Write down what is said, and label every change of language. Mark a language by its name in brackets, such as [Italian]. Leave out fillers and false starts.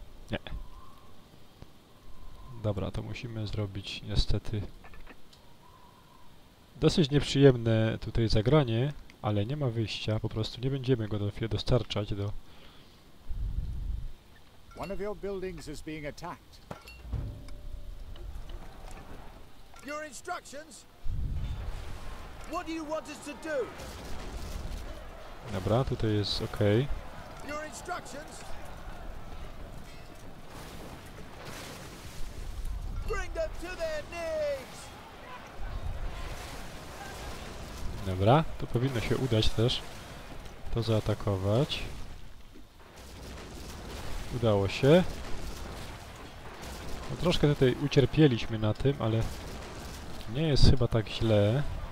[Polish] Nie. Dobra, to musimy zrobić niestety dosyć nieprzyjemne tutaj zagranie, ale nie ma wyjścia, po prostu nie będziemy go dostarczać do... [English] One of your buildings is being attacked. Your instructions? What do you want us to do? [Polish] Dobra, tutaj jest ok. [English] Your instructions? Bring them to their knees. [Polish] Dobra, to powinno się udać też to zaatakować. Udało się. No, troszkę tutaj ucierpieliśmy na tym, ale nie jest chyba tak źle.